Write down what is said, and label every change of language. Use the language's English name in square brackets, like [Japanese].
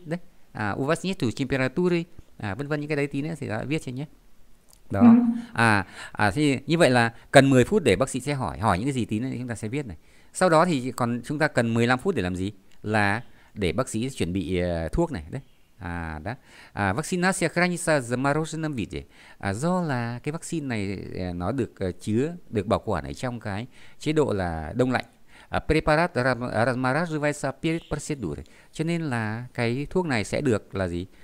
[Russian] Đấy. У вас нет температуры? [Vietnamese] Vân vân, những cái đấy tí nữa thì đã viết cho nhé. Đó. Thì như vậy là cần 10 phút để bác sĩ sẽ hỏi hỏi những cái gì tí nữa thì chúng ta sẽ viết này. Sau đó thì còn chúng ta cần 15 phút để làm gì? Là để bác sĩ chuẩn bị thuốc này, đấy. Đó. [Russian] Vaccination хранится в замороженном виде. [Vietnamese] Do là cái vaccine này nó được bảo quản ở trong cái chế độ là đông lạnh. Preparat procedure. Cho nên là cái thuốc này sẽ được là gì?